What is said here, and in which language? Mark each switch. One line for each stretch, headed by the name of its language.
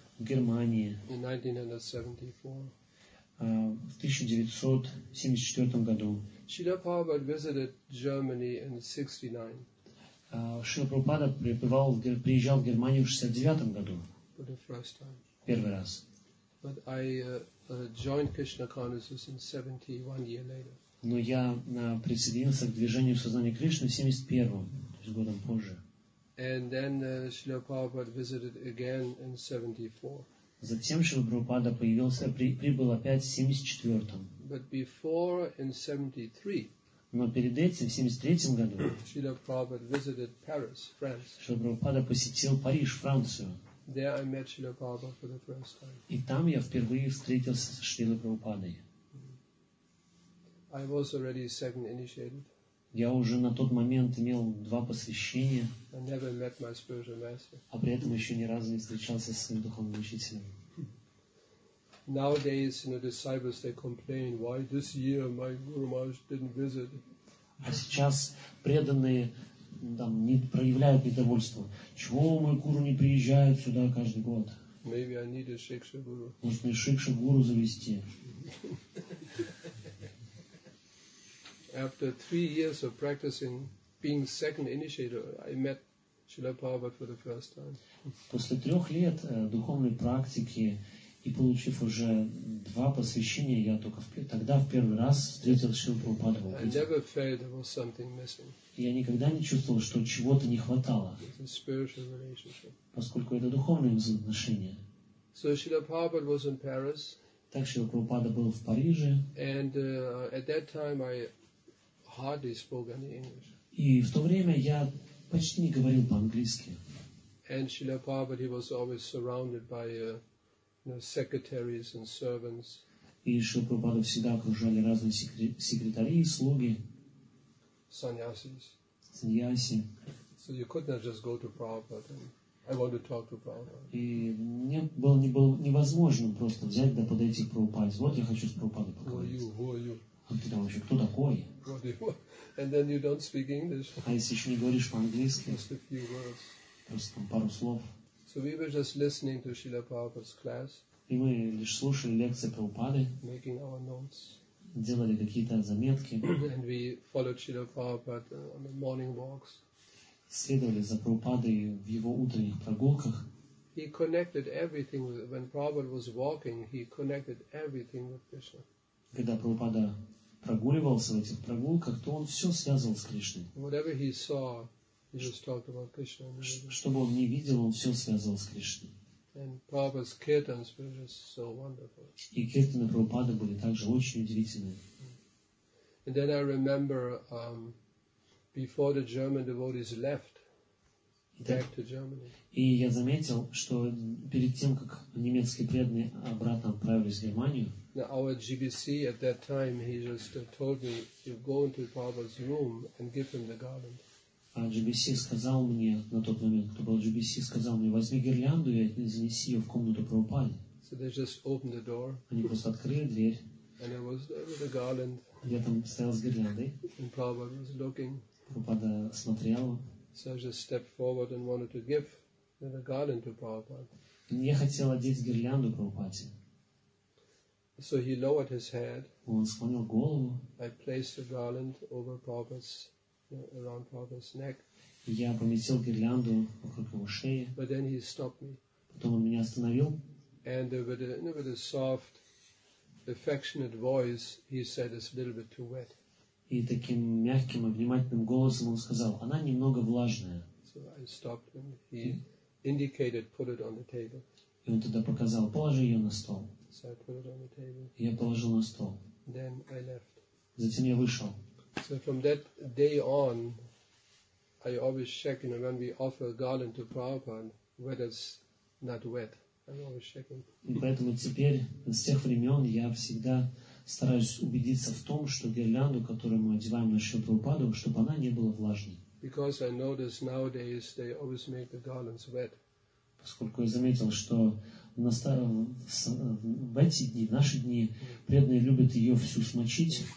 Russian: В Германии.
English: In 1974.
Russian: В 1974 году.
English: Шрила Прабхупада visited Germany in 69.
Russian: Шрила Прабхупада приезжал в Германию в 69 году.
English: For the first time.
Russian: Первый раз.
English: But I joined Krishna consciousness in 71 year later.
Russian: Но я присоединился к движению сознания Кришны в 71-м, то есть годом позже.
English: And then Шрила Прабхупада visited again in 74.
Russian: Затем Шрила Прабхупада прибыл опять в 74-м.
English: But before in 73.
Russian: Но перед этим, в 73-м году,
English: Шрила Прабхупада visited Paris, France.
Russian: Шрила Прабхупада посетил Париж, Францию.
English: There I met Шрила Прабхупада for the first time.
Russian: И там я впервые встретился с Шрилой Прабхупадой.
English: I was already second initiated.
Russian: Я уже на тот момент имел два посвящения.
English: I never met my spiritual master.
Russian: А при этом еще ни разу не встречался со своим духовным учителем.
English: Nowadays, you know, disciples, they complain, why this year my Guru Maharaj didn't visit.
Russian: А сейчас преданные там не проявляют недовольства. Чего мой Гуру не приезжает сюда каждый год?
English: Maybe I need a Шикша Гуру.
Russian: Может мне Шикша Гуру завести?
English: After 3 years of practicing, being second initiator, I met Srila Prabhupada for the first time.
Russian: После 3 лет духовной практики и получив уже 2 посвящения, я только тогда в первый раз встретил Шрилу Прабхупаду.
English: I never felt there was something missing.
Russian: Я никогда не чувствовал, что чего-то не хватало.
English: It's a spiritual relationship.
Russian: Поскольку это духовные взаимоотношения.
English: So Srila Prabhupada was in Paris.
Russian: Так Шрила Прабхупада был в Париже.
English: And at that time I hardly spoke any English.
Russian: И в то время я почти не говорил по-английски.
English: And Srila Prabhupada, he was always surrounded by secretaries and servants.
Russian: И Шрила Прабхупада всегда окружали разные секретари и слуги. Саньясис. Саньяси.
English: So you could not just go to Prabhupada and
Russian: И мне было невозможно просто взять да подойти к Прабхупаде. Вот я хочу с Прабхупадой поговорить. А ты там вообще кто такой?
English: And then you don't speak English.
Russian: А если еще не говоришь по-английски?
English: Just a few words.
Russian: Просто там пару слов.
English: So we were just listening to Srila Prabhupada's class.
Russian: И мы лишь слушали лекции Прабхупады.
English: Making our notes.
Russian: Делали какие-то заметки.
English: And we followed Srila Prabhupada on the morning walks.
Russian: Следовали за Прабхупадой в его утренних прогулках.
English: He connected everything when Prabhupada was walking. He connected everything with Krishna.
Russian: Когда Прабхупада прогуливался в этих прогулках, то он все связывал с Кришной.
English: Whatever he saw, he just talked about Krishna.
Russian: Что бы он ни видел, он все связывал с Кришной.
English: And Prabhupada's kirtans were just so wonderful.
Russian: И киртаны Прабхупады были также очень удивительны.
English: And then I remember before the German devotees left back to Germany.
Russian: И я заметил, что перед тем, как немецкие преданные обратно отправились в Германию,
English: now our GBC at that time he just told me you go into Prabhupada's room and give him the garland.
Russian: А GBC сказал мне на тот момент, кто был GBC, сказал мне, возьми гирлянду и занеси ее в комнату Прабхупады.
English: So they just opened the door.
Russian: Они просто открыли дверь.
English: And I was there with the garland.
Russian: Я там стоял с гирляндой.
English: And Prabhupada was looking.
Russian: Прабхупада смотрел.
English: So I just stepped forward and wanted to give the garland to Prabhupada.
Russian: Я хотел одеть гирлянду Прабхупаде.
English: So he lowered his head.
Russian: Он склонил голову.
English: I placed the garland over Prabhupada's, around Prabhupada's neck.
Russian: Я поместил гирлянду вокруг его шеи.
English: But then he stopped me.
Russian: Потом он меня остановил.
English: And with a soft, affectionate voice, he said, "It's a little bit too wet."
Russian: И таким мягким и внимательным голосом он сказал, она немного влажная.
English: So I stopped and he indicated, put it on the table.
Russian: И он тогда показал, положи ее на стол.
English: So I put it on the table.
Russian: Я положил на стол.
English: Then I left.
Russian: Затем я вышел.
English: So from that day on, I always check, you know, when we offer a garland to Prabhupada, whether it's not wet. I'm always checking.
Russian: И поэтому теперь, с тех времен, я всегда стараюсь убедиться в том, что гирлянду, которую мы одеваем на шею Прабхупады, чтобы она не была влажной.
English: Because I notice nowadays they always make the garlands wet.
Russian: Поскольку я заметил, что в эти дни, в наши дни, преданные любят ее всю смочить.